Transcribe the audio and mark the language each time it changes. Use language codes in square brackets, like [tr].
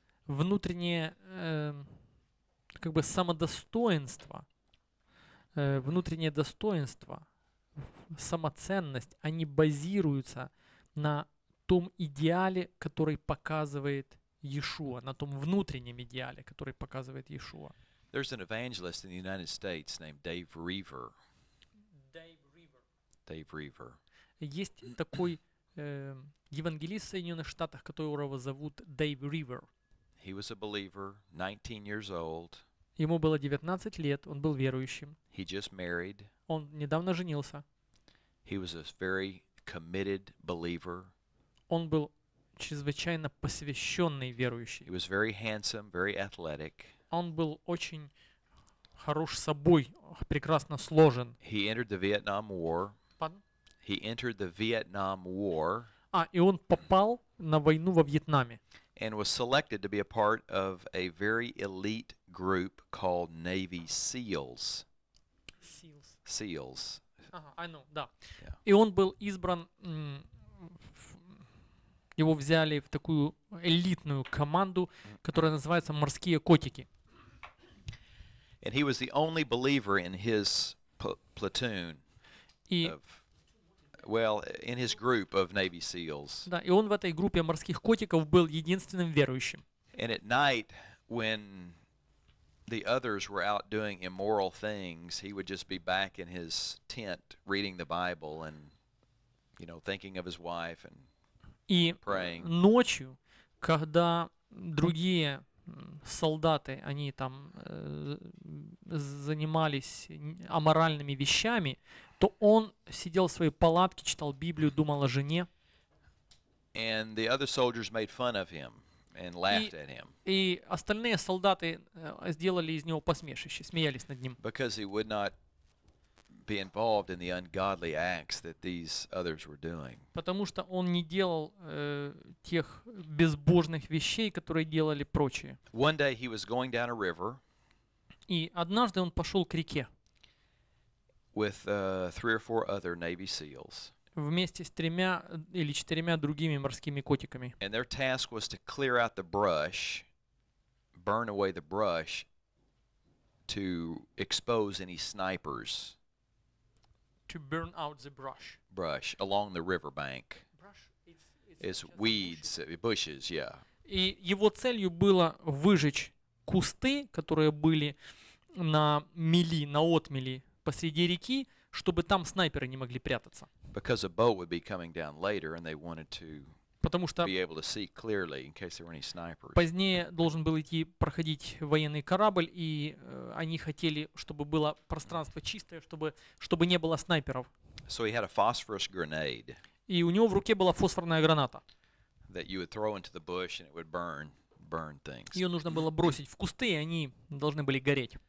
[ru] Внутреннее, как бы самодостоинство, внутреннее достоинство, самоценность, они базируются на том идеале, который показывает Иешуа, на том внутреннем идеале, который показывает Иешуа. [en] There's an evangelist in the United States named Dave Reaver. Dave Reaver. [ru] Есть такой евангелист в Соединенных Штатах, которого зовут Дэйв Ривер. [en] He was a believer, 19 years old. [ru] Ему было 19 лет, он был верующим. [en] He just married. [ru] Он недавно женился. [en] He was a very committed believer. [ru] Он был чрезвычайно посвященный верующий. [en] He was very handsome, very athletic. [ru] Он был очень хорош собой, прекрасно сложен. [en] He entered the Vietnam War. Pardon? He entered the Vietnam War. [ru] А, и он попал на войну во Вьетнаме. [en] And was selected to be a part of a very elite group called Navy SEALs. SEALs. Ага, I know, да. [ru] И он был избран, его взяли в такую элитную команду, которая называется «Морские котики». [en] And he was the only believer in his platoon. Well, in his group of Navy SEALs. [ru] Да, и он в этой группе морских котиков был единственным верующим. [en] And at night, when the others were out doing immoral things, he would just be back in his tent reading the Bible and, you know, thinking of his wife and praying. [ru] И ночью, когда другие солдаты, они там занимались аморальными вещами, то он сидел в своей палатке, читал Библию, думал о жене. [en] And the other soldiers made fun of him and laughed at him. [ru] И остальные солдаты сделали из него посмешище, смеялись над ним. [en] Because he would not be involved in the ungodly acts that these others were doing. [ru] Потому что он не делал тех безбожных вещей, которые делали прочие. [en] One day he was going down a river. [ru] И однажды он пошел к реке. [en] With three or four other Navy SEALs. [ru] Вместе с тремя или четырьмя другими морскими котиками. [en] And their task was to clear out the brush, burn away the brush, to expose any snipers. To burn out the brush. Brush along the river bank. Brush, it's weeds, bushes, yeah. [ru] И его целью было выжечь кусты, которые были на мели, на отмели посреди реки, чтобы там снайперы не могли прятаться. [en] Because a boat would be coming down later, and they wanted to. [ru] Потому что [en] be able to see clearly in case there were any snipers. [ru] Позднее должен был идти проходить военный корабль, и они хотели, чтобы было пространство чистое, чтобы не было снайперов. [en] So he had a phosphorus grenade. [ru] И у него в руке была фосфорная граната. [en] That you would throw into the bush and it would burn things. [ru] Ее нужно было бросить в кусты, и они должны были гореть.